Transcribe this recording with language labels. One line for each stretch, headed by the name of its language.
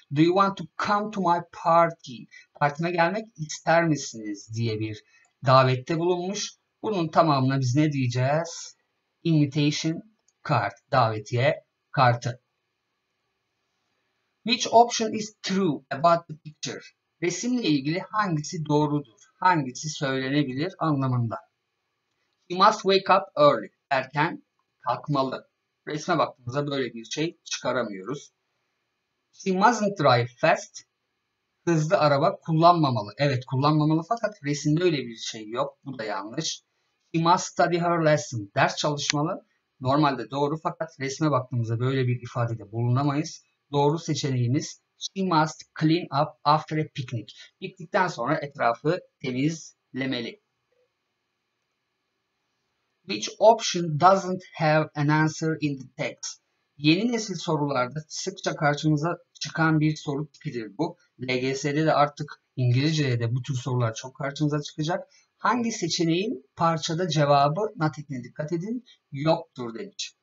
English: Do you want to come to my party?
Turkish: Partime gelmek ister misiniz diye bir davette bulunmuş. Bunun tamamına biz ne diyeceğiz?
English: Invitation card,
Turkish: davetiye kartı.
English: Which option is true about the picture?
Turkish: Resimle ilgili hangisi doğrudur? Hangisi söylenebilir anlamında?
English: He must wake up early.
Turkish: Erken kalkmalı. Resme baktığımızda böyle bir şey çıkaramıyoruz.
English: She mustn't drive fast.
Turkish: Hızlı araba kullanmamalı. Evet, kullanmamalı fakat resimde öyle bir şey yok. Bu da yanlış.
English: She must study her lesson.
Turkish: Ders çalışmalı. Normalde doğru fakat resme baktığımızda böyle bir ifadede bulunamayız. Doğru seçeneğimiz
English: she must clean up after a picnic.
Turkish: Piknikten sonra etrafı temizlemeli.
English: Which option doesn't have an answer in the text?
Turkish: Yeni nesil sorularda sıkça karşımıza çıkan bir soru tipidir bu. LGS'de de artık İngilizce'de de bu tür sorular çok karşımıza çıkacak. Hangi seçeneğin parçada cevabı natekine dikkat edin yoktur demiş.